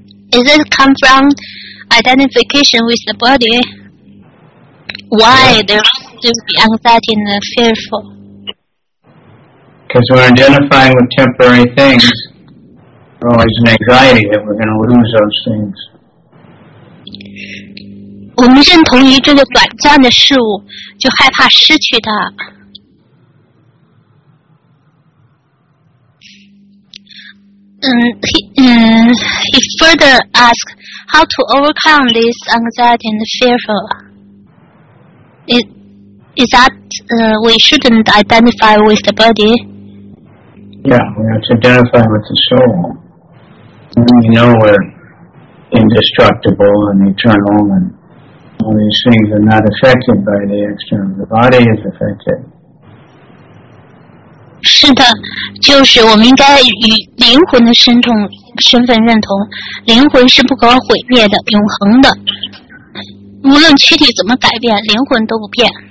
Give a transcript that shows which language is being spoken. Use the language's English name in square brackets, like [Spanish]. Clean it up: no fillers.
[English] Does it come from identification with the body? Why there should be anxiety and fearful? Because we're identifying with temporary things. There's always an anxiety that we're going to lose those things. [Chinese] 我们认同于这个短暂的事物，就害怕失去它。 [English] He further asked how to overcome this anxiety and fearful. Is that we shouldn't identify with the body? Yeah, we have to identify with the soul. We know we're indestructible and eternal, and all these things are not affected by the external. The body is affected. [Chinese] 是的，就是我们应该与灵魂的身份认同，灵魂是不可毁灭的，永恒的，无论躯体怎么改变，灵魂都不变。